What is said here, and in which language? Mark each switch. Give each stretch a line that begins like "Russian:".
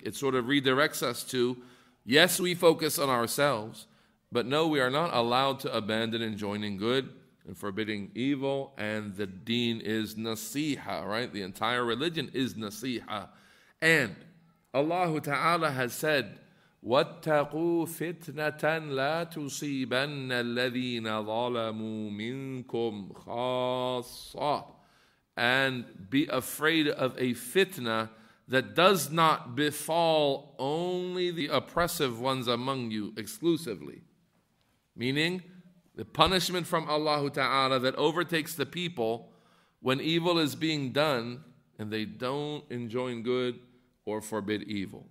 English: It sort of redirects us to, yes, we focus on ourselves, but no, we are not allowed to abandon enjoining good and forbidding evil, and the deen is nasiha, right? The entire religion is nasiha. And Allah Ta'ala has said,
Arabic: واتقوا فتنة لا تصيبن الذين ظلموا منكم خاصة.
English: And be afraid of a fitna that does not befall only the oppressive ones among you exclusively. Meaning, the punishment from Allah Ta'ala that overtakes the people when evil is being done and they don't enjoin good or forbid evil.